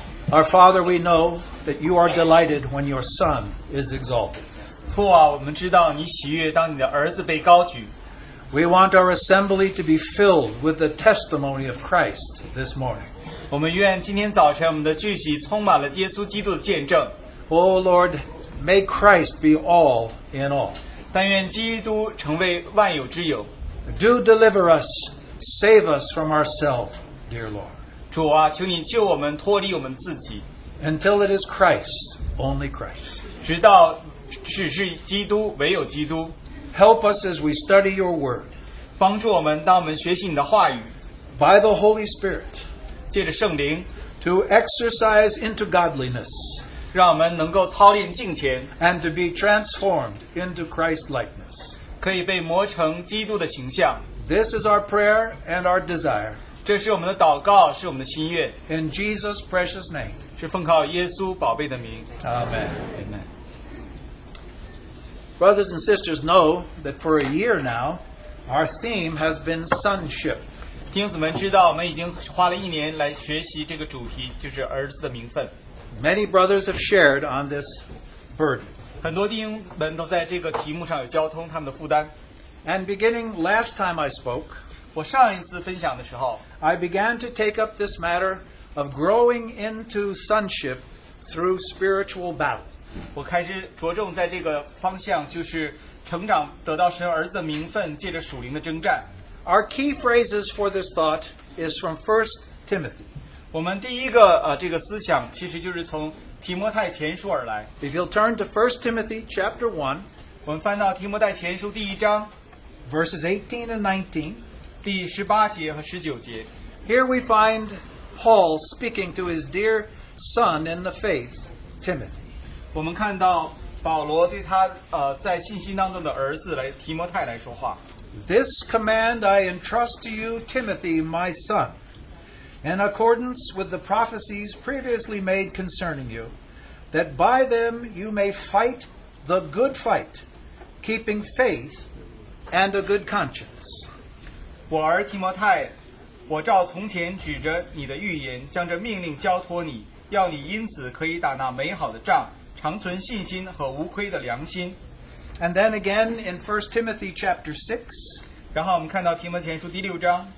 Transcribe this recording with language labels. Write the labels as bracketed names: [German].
[English] Our Father, we know that you are delighted when your Son is exalted. [Chinese] 父啊，我们知道你喜悦当你的儿子被高举。 [English] We want our assembly to be filled with the testimony of Christ this morning. [Chinese] 我们愿今天早晨我们的聚集充满了耶稣基督的见证。 [English] Oh Lord, may Christ be all in all. [Chinese] 但愿基督成为万有之有。 [English] Do deliver us, save us from ourselves, dear Lord. [Chinese] 主啊，求你救我们，脱离我们自己。 [English] Until it is Christ, only Christ. [Chinese] 直到只是基督，唯有基督。 [English] Help us as we study your word. [Chinese] 帮助我们，当我们学习你的话语。 [English] By the Holy Spirit. [Chinese] 借着圣灵。 [English] To exercise into godliness. [Chinese] 让我们能够操练敬虔。 [English] And to be transformed into Christ-likeness. [Chinese] 可以被磨成基督的形象。 [English] This is our prayer and our desire. [Chinese] 这是我们的祷告，是我们的心愿。 [English] In Jesus' precious name. [Chinese] 是奉靠耶稣宝贝的名。 [English] Amen. Amen. Brothers and sisters know that for a year now, our theme has been Sonship. [Chinese] 听子们知道我们已经花了一年来学习这个主题，就是儿子的名分。 [English] Many brothers have shared on this burden. [Chinese] 很多弟兄们都在这个题目上有交通他们的负担。 [English] And beginning last time I spoke, [Chinese] 我上一次分享的时候, [English] I began to take up this matter of growing into sonship through spiritual battle. [Chinese] 我开始着重在这个方向，就是成长得到神儿子的名分，借着属灵的征战。 [English] Our key phrases for this thought is from 1 Timothy. [Chinese] 我们第一个这个思想其实就是从提摩太前书而来。 [English] If you'll turn to 1 Timothy chapter 1, [Chinese] 我们翻到提摩太前书第一章, [English] verses 18 and 19. [Chinese] 第十八节和十九节。 [English] Here we find Paul speaking to his dear son in the faith, Timothy. [Chinese] 我们看到保罗对他在信心当中的儿子来提摩太来说话。 [English] This command I entrust to you, Timothy, my son, in accordance with the prophecies previously made concerning you, that by them you may fight the good fight, keeping faith and a good conscience. [Chinese] 我儿提摩太，我照从前指着你的预言，将这命令交托你，要你因此可以打那美好的仗，长存信心和无愧的良心。 [English] And then again in 1 Timothy chapter 6, [Chinese] 然后我们看到提摩前书第六章，